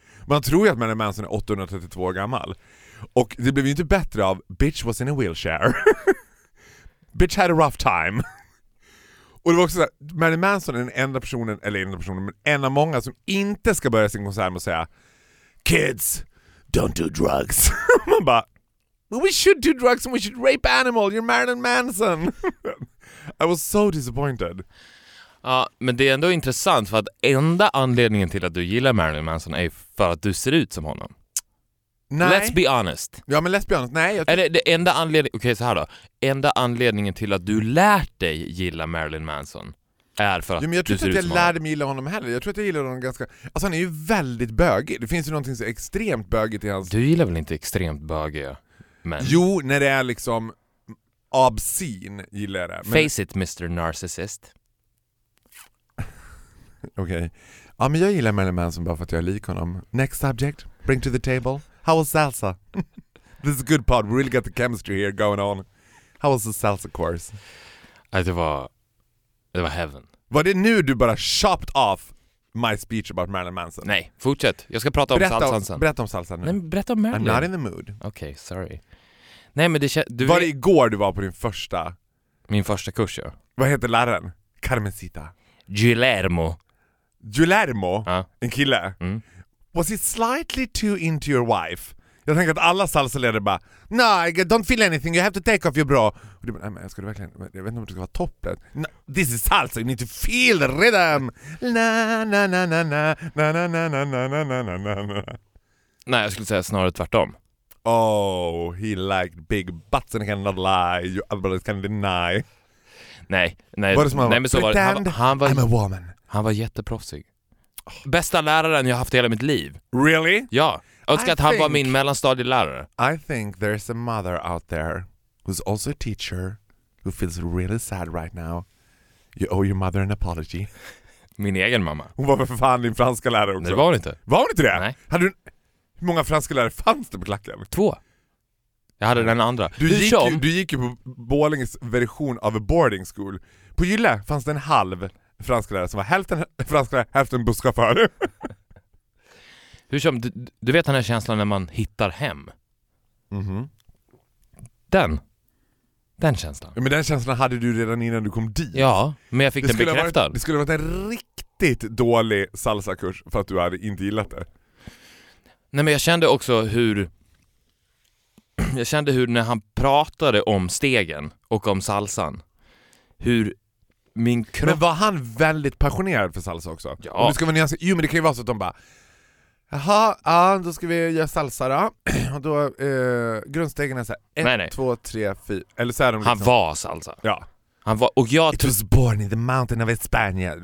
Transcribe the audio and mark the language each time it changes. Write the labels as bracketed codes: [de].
[sv] Man tror ju att Marilyn Manson är 832 år gammal. Och det blev ju inte bättre av [en] bitch was in a wheelchair. Bitch had a rough time. [sv] Och det var också så här, Marilyn Manson är den enda personen, eller enda personen, men en av många som inte ska börja sin konsert med att säga [en] kids, don't do drugs. [sv] Man bara, [en] we should do drugs and we should rape animal. You're Marilyn Manson. I was so disappointed. [sv] Ja, men det är ändå intressant för att enda anledningen till att du gillar Marilyn Manson är för att du ser ut som honom. Nej. [en] Let's be honest. [sv] Ja, men [en] let's be honest. [sv] Nej, jag Eller det enda anledningen, okej, så här då. Enda anledningen till att du lärt dig gilla Marilyn Manson är för att du ser ut som honom. Jag tror inte att jag lärde mig gilla honom heller. Jag tror att jag gillar honom ganska, alltså han är ju väldigt bögig. Det finns ju någonting så extremt bögigt i hans. Du gillar väl inte extremt bögig? Men jo, när det är liksom obscen gillar jag det. [en] Men face it, Mr. Narcissist. Okej. Okay. [sv] Ja, men jag gillar Marilyn Manson bara för att jag är lik honom. [en] Next subject, bring to the table. How was salsa? This is a good part. We really got the chemistry here going on. How was the salsa course? [sv] Det var heaven. Var det nu du bara [en] chopped off my speech about Marilyn Manson? [sv] Nej, fortsätt. Jag ska prata berätta om salsan sen. Berätta om salsa nu. Men berätta om Marilyn. [en] I'm not in the mood. [sv] Okej, [en] okay, sorry. [sv] Nej, men det du var det igår du var på din första? Min första kurs, ja. Vad heter läraren? Carmencita. Guillermo. Guillermo? Ja. En kille? Mm. [en] Was he slightly too into your wife? [sv] Jag tänker att alla salsaledare bara [en] no, I don't feel anything, you have to take off your bra. [sv] Och du bara, nej men ska du verkligen, jag vet inte om du ska vara topplet. [en] No, this is salsa, you need to feel the rhythm. Na na na na na na na na na na na na na na na. [sv] Nej, jag skulle säga snarare tvärtom. [en] Oh, he liked big butts and cannot lie. You always can deny. Nej, what is my nej, men så var pretend han var I'm a woman. [sv] Han var jätteproffsig. Bästa läraren jag haft i hela mitt liv. [en] Really? [sv] Ja. Jag önskar att han var min mellanstadielärare. [en] I think there's a mother out there who's also a teacher who feels really sad right now. You owe your mother an apology. [sv] Min egen mamma. Hon var för fan din franska lärare också. Nej, var hon inte. Var hon inte det? Nej. Hur många franska lärare fanns det på klacken? Två. Jag hade den andra. Du gick ju på Borlänges version av a boarding school. På Gylle fanns det en halv franska lärare som var hälften franska lärare, hälften busschaufför. Hur som, du vet den här känslan när man hittar hem. Mm-hmm. Den känslan. Men den känslan hade du redan innan du kom dit. Ja, men jag fick den bekräftad. Det skulle ha varit en riktigt dålig salsakurs för att du hade inte gillat det. Nej, men jag kände också hur... Jag kände hur när han pratade om stegen och om salsan, hur min kropp... Men var han väldigt passionerad för salsa också? Ja. Och ska man nyans- jo, men det kan ju vara så att de bara... Jaha, ja, då ska vi göra salsa då. Och då grundstegen är så här, 1, 2, 3, 4. Eller så är de liksom... Han var salsa. Ja. Han var, och jag [en] It was born in the mountain of Spania.